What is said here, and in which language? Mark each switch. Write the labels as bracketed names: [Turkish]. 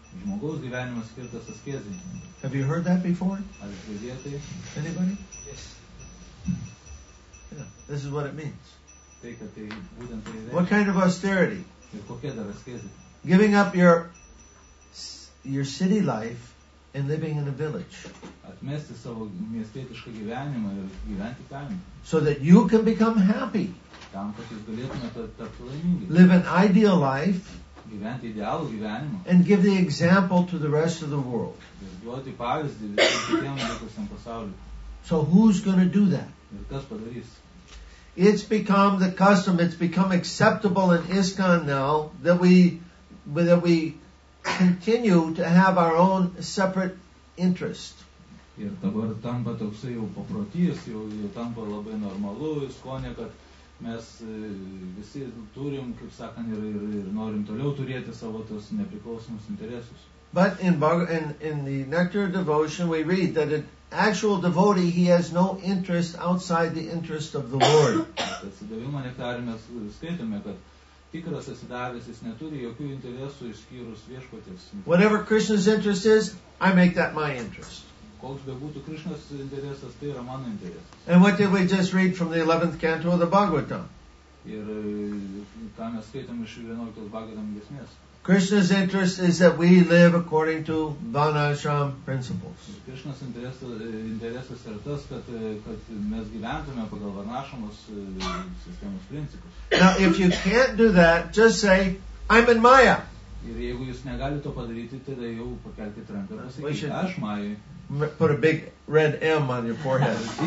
[Lithuanian] Žmogaus gyvenimas skirtas askezei. [English] Have you heard that before? [Lithuanian] Ar girdėjai tai? [English] Anybody? Yes. Yeah, this is what it means. [Lithuanian] Tai, kad tai būtent tai reiškia. [English] What kind of austerity? [Lithuanian] Ir kokia dar askezė? [English] Giving up your city life and living in a village. [Lithuanian] Atmesti savo miestietišką gyvenimą ir gyventi kaime. [English] So that you can become happy. [Lithuanian] Tam, kad jūs galėtumėte tapti laimingi. [English] Live an ideal life. [Lithuanian] Gyventi idealų gyvenimą. [English] And give the example to the rest of the world. [Lithuanian] Duoti pavyzdį kitiem likusiam pasauliui. [English] So who's going to do that? [Lithuanian] Ir kas padarys? [English] It's become the custom, it's become acceptable in ISKCON now that we continue to have our own separate interest. [Lithuanian] Ir dabar tampa toksai jau paprotys, jau tampa labai normalu ISKCONe, kad mes visi turim, kaip sakant, ir norim toliau turėti savo tos nepriklausomus interesus. [English] But in the nectar of devotion we read that an actual devotee he has no interest outside the interest of the Lord. [Lithuanian] Atsidavimo nektare mes skaitome, kad tikras atsidavęs jis neturi jokių interesų išskyrus viešpaties. [English] Whatever Krishna's interest is, I make that my interest. [Lithuanian] Koks bebūtų Krishnas interesas, tai yra mano interesas. [English] And what did we just read from the 11th canto of the Bhagavatam? [Lithuanian] Ir ką mes skaitėm iš 11th Bhagavatam giesmės. [English] Krishna's interest is that we live according to Vanashram principles. [Lithuanian] Krishna's interesas yra tas, kad mes gyventume pagal Vanashramos sistemos principus. [English] Now, if you can't do that, just say, I'm in Maya. [Lithuanian] Ir jeigu jūs negali to padaryti, tada jau pakelti ranką ir pasakyti, aš Maya. [English] Put a big red M on your forehead.